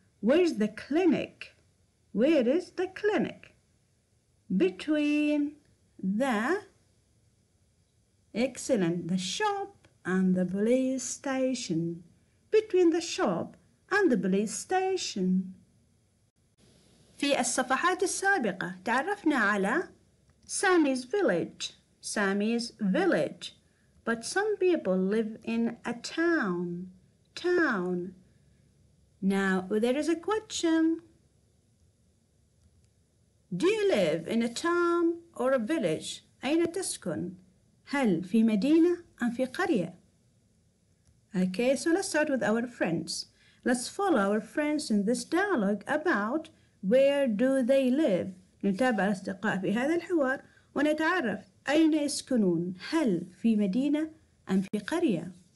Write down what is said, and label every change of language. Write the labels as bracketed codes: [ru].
[en] Where is the clinic? Where is the clinic? Between the, excellent, the shop and the police station. Between the shop and the police station. [ar] في الصفحات السابقة تعرفنا على Sammy's village. [en] Sammy's village. But some people live in a town. Town. Now, there is a question. Do you live in a town or a village? [ar] أين تسكن؟ هل في مدينة أم في قرية؟ Okay, so let's start with our friends. [en] Let's follow our friends in this dialogue about where do they live. [ar] نتابع الأصدقاء في هذا الحوار ونتعرف أين يسكنون؟ هل في مدينة أم في قرية؟